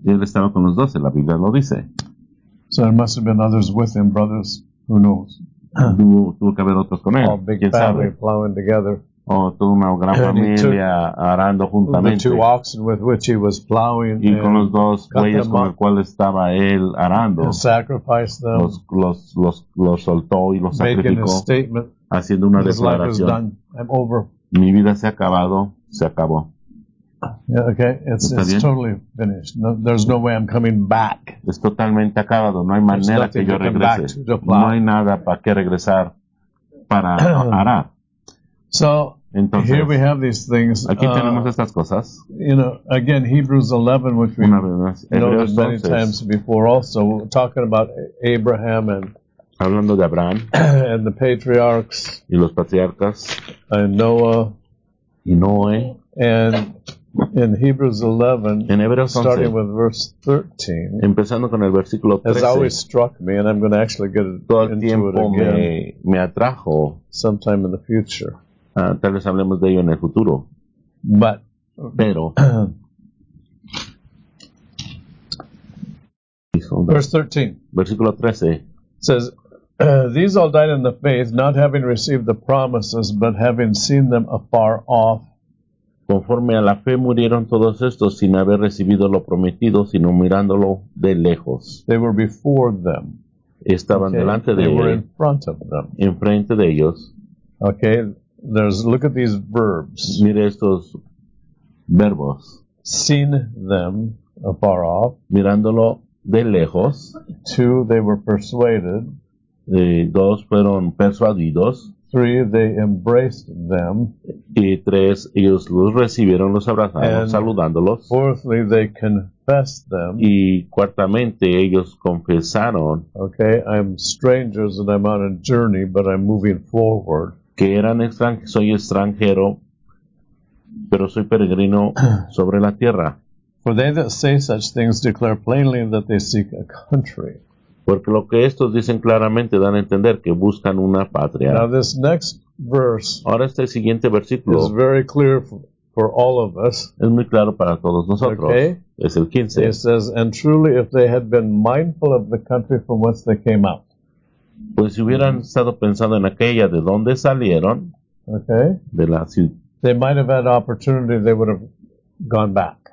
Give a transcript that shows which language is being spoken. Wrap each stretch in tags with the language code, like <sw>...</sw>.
<es>Y él estaba con los 12, la Biblia lo dice.</es> <en>So there must have been others with him, brothers. Who knows?</en> <es>Tuvo que haber otros con él.</es> <en>All big family plowing together.</en> <es>Oh, toda una gran familia arando juntamente.</es> <en>The two oxen with which he was plowing.</en> <es>Y con los dos bueyes con los cuales estaba él arando.</es> <en>And sacrificed them.</en> <es>Los soltó y los sacrificó.</es> <en>Making a statement.</en> <es>Haciendo una declaración.</es> <en>His life is done. I'm over.</en> <es>Mi vida se ha acabado. Se acabó.</es> <en>Yeah, okay, it's totally finished. No, there's no way I'm coming back.</en> <es>Es totalmente acabado. No hay manera que yo regrese. No hay nada para que regresar para arar.</es> <en>So</en> <es>Entonces,</es> <en>here we have these things.</en> <es>Aquí tenemos estas cosas.</es> <en>You know, again, Hebrews 11, which we noted many times before, also talking about Abraham and</en> <es>hablando de Abraham</es> <en>and the patriarchs</en> <es>y los patriarcas</es> <en>and Noah</en> <es>y Noé.</es> <en>And in Hebrews 11,</en> <es>en Hebreos 11,</es> <en>starting with verse 13,</en> <es>empezando con el versículo 13,</es> <en>has always struck me, and I'm going to actually get into it again.</en> <es>Me atrajo.</es> <en>Sometime in the future.</en> <es>Tal vez hablemos de ello en el futuro.</es> <en>But,</en> <es>pero,</es> <en>verse 13 says, these all died in the faith, not having received the promises, but having seen them afar off.</en> <es>Conforme a la fe murieron todos estos sin haber recibido lo prometido, sino mirándolo de lejos.</es> <en>They were before them.</en> <es>Estaban delante de ellos.</es> <en>They were in front of them.</en> <es>Enfrente de ellos.</es> <en>Okay, there's, look at these verbs.</en> <es>Mire estos verbos.</es> <en>Seen them afar off.</en> <es>Mirándolo de lejos.</es> <en>Two, they were persuaded.</en> <es>Dos, fueron persuadidos.</es> <en>Three, they embraced them.</en> <es>Y tres, ellos los recibieron, los abrazaron,</es> <en>and</en> <es>saludándolos.</es> <en>Fourthly, they confessed them.</en> <es>Y cuartamente, ellos confesaron.</es> <en>Okay, I'm strangers and I'm on a journey, but I'm moving forward.</en> <es>Que eran extranjeros, soy extranjero, pero soy peregrino sobre la tierra.</es> <en>For they that say such things declare plainly that they seek a country.</en> <es>Porque lo que estos dicen claramente dan a entender que buscan una patria.</es> <en>Now this next verse,</en> <es>ahora este siguiente versículo</es> <en>is very clear for all of us.</en> <es>Es muy claro para todos nosotros.</es> <en>Okay.</en> <es>Es el 15.</es> <en>It says, and truly if they had been mindful of the country from whence they came out.</en> <es>Pues si hubieran estado pensando en aquella de donde salieron.</es> <en>Okay.</en> <es>De la ciudad.</es> <en>They might have had opportunity, they would have gone back.</en>